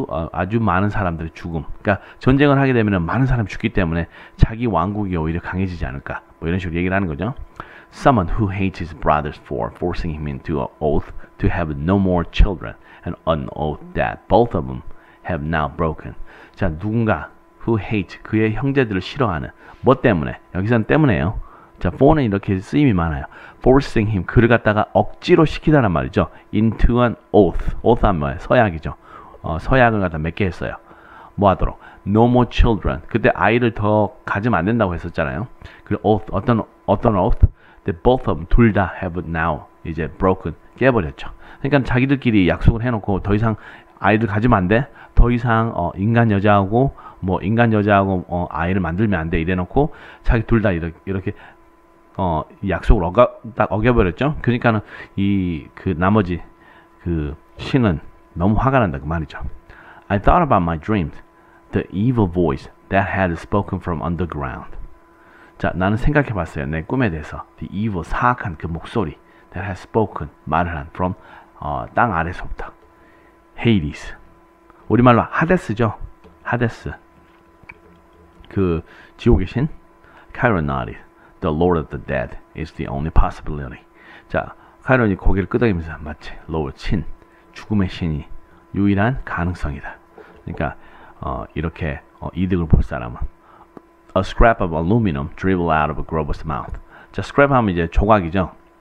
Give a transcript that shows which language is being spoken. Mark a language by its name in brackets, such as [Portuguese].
[Korean] 아주 많은 사람들의 죽음. 그러니까 전쟁을 하게 되면 많은 사람이 죽기 때문에 자기 왕국이 오히려 강해지지 않을까. 뭐 이런 식으로 얘기를 하는 거죠. [English] Someone who hates his brothers for forcing him into an oath to have no more children and an oath that both of them have now broken. [Korean] 자, 누군가 [English] who hates [Korean] 그의 형제들을 싫어하는 뭐 때문에? 여기서는 때문에요. 자, for는 이렇게 쓰임이 많아요. [English] Forcing him, [Korean] 그를 갖다가 억지로 시키다란 말이죠. [English] Into an oath. [Korean] Oath 하면 뭐예요? 서약이죠. 서약을 갖다 맺게 했어요. 뭐 하도록? [English] No more children. [Korean] 그때 아이를 더 가지면 안 된다고 했었잖아요. 그리고 [English] oath, [Korean] 어떤 [English] oath? That both of them, [Korean] 둘 다 [English] have now, [Korean] 이제 [English] broken, [Korean] 깨버렸죠. 그러니까 자기들끼리 약속을 해놓고 더 이상 아이를 가지면 안 돼? 더 이상 인간 여자하고 뭐 인간 여자하고 아이를 만들면 안돼 이래놓고 자기 둘 다 이렇게 약속을 어겨버렸죠. 그러니까는 나머지 그 신은 너무 화가 난다 그 말이죠. [English] I thought about my dreams, the evil voice that had spoken from underground. [Korean] 자, 나는 생각해봤어요 내 꿈에 대해서. [English] The evil, [Korean] 사악한 그 목소리 [English] that had spoken, [Korean] 말을 한 [English] from [Korean] 땅 아래서부터. Hades, 우리말로 하데스죠. 하데스, 그 지옥의 신. [English] Chiron nodded. The Lord of the Dead is the only possibility. [Korean] 자, 카이론이 고개를 끄덕이면서 맞지. Lord, 친, 죽음의 신이 유일한 가능성이다. 그러니까 이렇게 이득을 볼 사람은. [English] A scrap of aluminum dribbled out of a grover's mouth. [Korean] 자, [English] scrap [Korean] 하면 이제 조각이죠.